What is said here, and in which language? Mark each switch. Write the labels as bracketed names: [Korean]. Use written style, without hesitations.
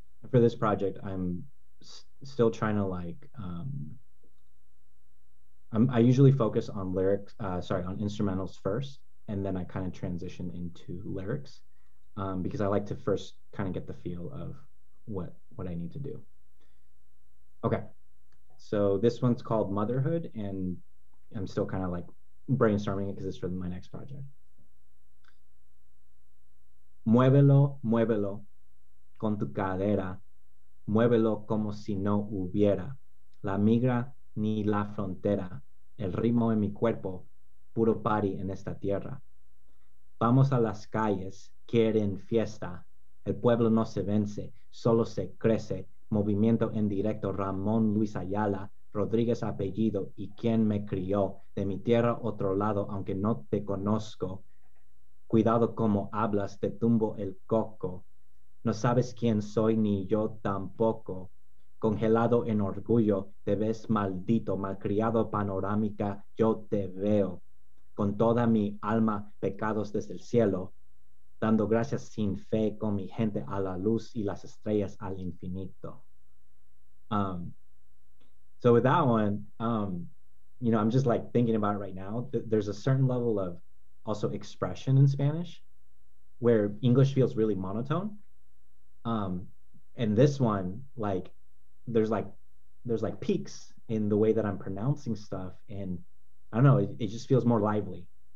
[English] For this project, I'm still trying to like, I usually focus on lyrics, on instrumentals first, and then I kind of transition into lyrics because I like to first kind of get the feel of what I need to do. Okay, so this one's called Motherhood, and I'm still kind of like brainstorming it because it's for my next project. [Spanish] Muévelo, muévelo, con tu cadera, muévelo como si no hubiera la migra ni la frontera. El ritmo en mi cuerpo, puro party en esta tierra. Vamos a las calles, quieren fiesta. El pueblo no se vence, solo se crece. Movimiento en directo, Ramón Luis Ayala, Rodríguez apellido, y quien me crió. De mi tierra, otro lado, aunque no te conozco. Cuidado como hablas, te tumbo el coco. No sabes quién soy, ni yo tampoco. Congelado en orgullo, te ves maldito, malcriado panorámica, yo te veo. Con toda mi alma, pecados desde el cielo, dando gracias sin fe con mi gente a la luz y las estrellas al infinito. [English] So with that one, you know, I'm just like thinking about it right now. There's a certain level of also expression in Spanish where English feels really monotone. And this one, like, there's like peaks in the way that I'm pronouncing stuff, and I don't know, it just feels more lively.